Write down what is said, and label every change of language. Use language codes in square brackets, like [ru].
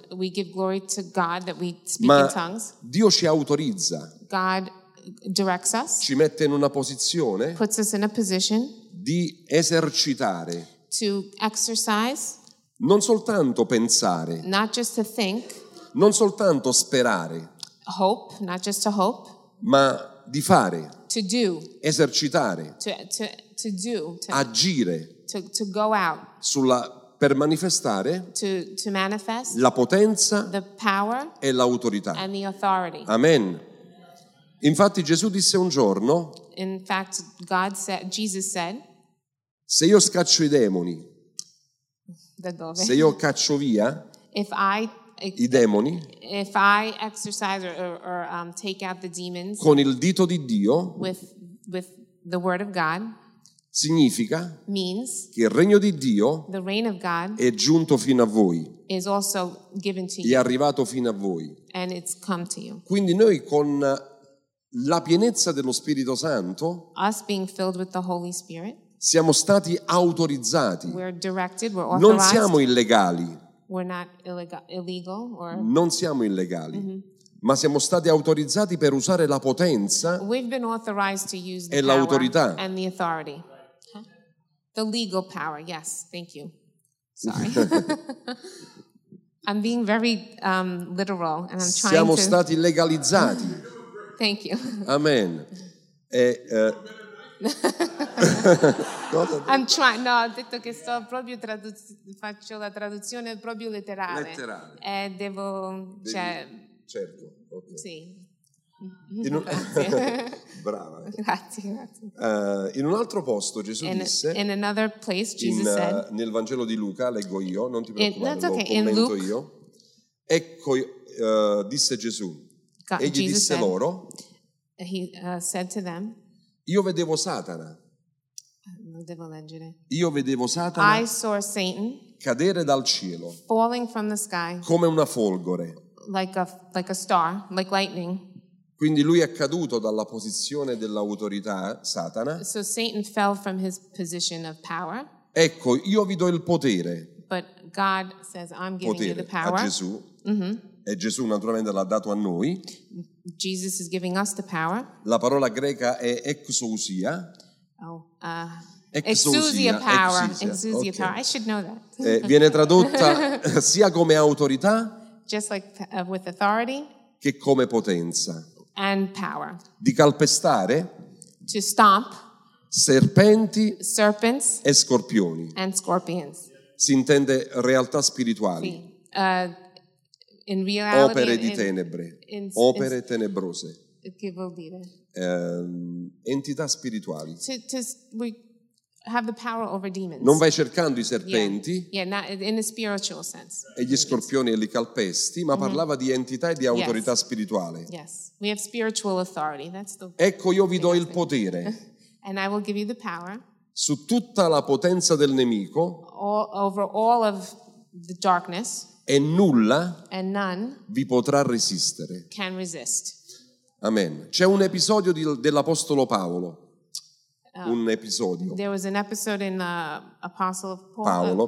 [en] We give glory to God that we speak [it] ma [en] in tongues. [it] Dio ci autorizza. [en] God directs us, [it] ci mette in una posizione, [en] puts us in a position, [it] di esercitare, [en] to exercise, [it] non soltanto pensare, [en] not just to think, [it] non soltanto sperare, [en] hope, not just to hope, [it] ma di fare, [en] to do, [it] esercitare, [en] to do, to [it] agire, [en] to go out, [it] sulla per manifestare [en] to manifest [it] la potenza, [en] the power [it] e l'autorità, [en] and the authority. Amen. [it] Infatti Gesù disse un giorno, [en] in fact, God said, Jesus said, [it] se io scaccio i demoni, da dove? Se io caccio via i demoni, [en] if I exercise or take out the demons, [it] con il dito di Dio, [en] with the word of God, [it] significa [en] means [it] che il regno di Dio [en] the reign of God [it] è giunto fino a voi, [en] is also given to [it] è [en] you, [it] arrivato fino a voi, [en] and it's come to you. [it] Quindi noi con la pienezza dello Spirito Santo [en] us being filled with the Holy Spirit [it] Siamo stati autorizzati. [en] We're directed, we're [it] non siamo illegali. [en] We're not illegal or... [it] Non siamo illegali. Mm-hmm. Ma siamo stati autorizzati per usare la potenza e l'autorità. [en] And the authority. Huh? The legal power, yes, thank you. Sorry. I'm being very literal and I'm trying to... [it] Siamo stati legalizzati. [en] Thank you. Amen. I'm trying. [it] No, ho detto che sto proprio faccio la traduzione proprio letterale. Letterale. E devo, cioè, certo. Okay. Sì. Brava. Grazie. In un altro posto Gesù disse. [en] In another place Jesus said. [it] Nel Vangelo di Luca leggo io, non ti preoccupare, lo commento [en] Luke, [it] io. Ecco, disse Gesù. [en] God, [it] egli [en] Jesus [it] disse [en] said, [it] loro. [en] He said to them. [it] Io vedevo Satana. Lo devo leggere. Io vedevo Satana. [en] I saw Satan [it] cadere dal cielo. [en] Falling from the sky. [it] Come una folgore. [en] Like a star, like lightning. [it] Quindi lui è caduto dalla posizione dell'autorità, Satana. [en] So Satan fell from his position of power. [it] Ecco, io vi do il potere. [en] But God says I'm giving [it] potere [en] you the power. [it] A Gesù. Mm-hmm. E Gesù naturalmente l'ha dato a noi. [en] Jesus is giving us the power. [it] La parola greca è exousia. Oh, [el] exousia, [en] exousia power. Exousia, exousia, okay. Power. I should know that. [it] Viene tradotta sia come autorità, [en] just like with authority, [it] che come potenza. [en] And power. [it] Di calpestare, [en] to stomp, [it] serpenti, [en] serpents, [it] e scorpioni. [en] And scorpions. [it] Si intende realtà spirituali. [en] Sì. In reality, [it] opere di tenebre, opere tenebrose, che vuol dire? Entità spirituali. [en] We have the power over demons. [it] Non vai cercando i serpenti, [en] in a spiritual sense. [it] E gli scorpioni e li calpesti, ma mm-hmm. parlava di entità e di autorità [en] yes. [it] spirituale. [en] Yes. We have spiritual authority. That's the [it] ecco, io vi do il potere. [en] And I will give you the power. [it] Su tutta la potenza del nemico. [en] Over all of the darkness. [it] E nulla [en] and none [it] vi potrà resistere. [en] Can resist. Amen. [it] C'è un episodio dell'Apostolo Paolo. Un episodio. [en] There was an episode in Apostle of Paul,